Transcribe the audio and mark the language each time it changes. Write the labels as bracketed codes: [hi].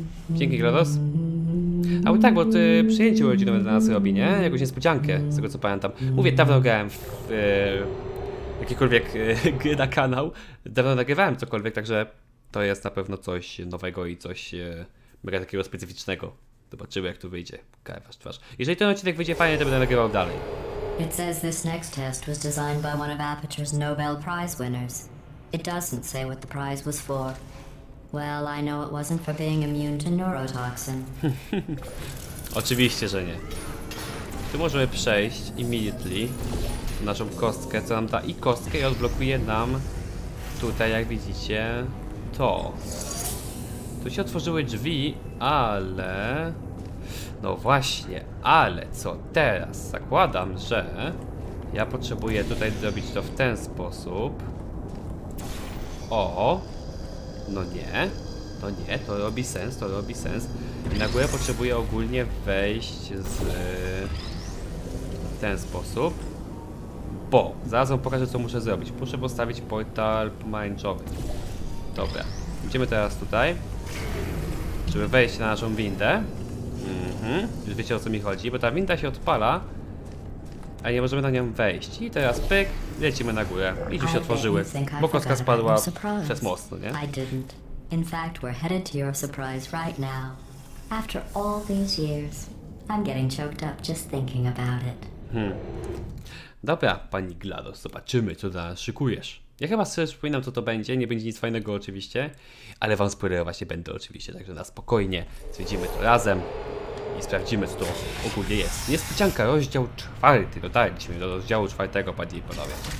[pl] Dzięki, Grados. A bo tak, bo to przyjęcie urodzinowe dla nas robi, nie? Jakąś niespodziankę, z tego co pamiętam. Mówię, dawno grałem w jakiekolwiek gry na kanał. Dawno nagrywałem cokolwiek, także to jest na pewno coś nowego i coś mega takiego specyficznego. Zobaczymy, jak to wyjdzie. Kajwasz twarz. Jeżeli ten odcinek wyjdzie fajnie, to będę nagrywał dalej. [en] It says this next test was designed by one of Aperture's Nobel Prize winners. It doesn't say what the prize was for. Well, I know it wasn't for being immune to neurotoxin. [pl] Oczywiście, że nie. Tu możemy przejść immediately naszą kostkę, co nam da i kostkę, i odblokuje nam tutaj, jak widzicie, to. Tu się otworzyły drzwi, ale... No właśnie, ale co teraz? Zakładam, że ja potrzebuję tutaj zrobić to w ten sposób. O! No nie, no nie, to robi sens, to robi sens. I na górę potrzebuję ogólnie wejść z... w ten sposób. Bo, zaraz wam pokażę, co muszę zrobić. Muszę postawić portal pomarańczowy. Dobra, idziemy teraz tutaj, żeby wejść na naszą windę. Mhm, już wiecie, o co mi chodzi, bo ta winda się odpala, a nie możemy na nią wejść. I teraz pyk, lecimy na górę. I już się otworzyły, bo kostka spadła przez most, no nie? [en] I didn't. In fact, we're headed to your surprise right now. After all these years, I'm getting choked up just thinking about it. [pl] Dobra, pani GLaDOS, zobaczymy, co teraz szykujesz. Ja chyba sobie przypominam, co to będzie. Nie będzie nic fajnego oczywiście, ale wam spoilerować nie będę oczywiście, także na spokojnie zwiedzimy to razem i sprawdzimy, co to ogólnie jest. Niespodzianka, rozdział czwarty. Dotarliśmy do rozdziału czwartego, panie i panowie.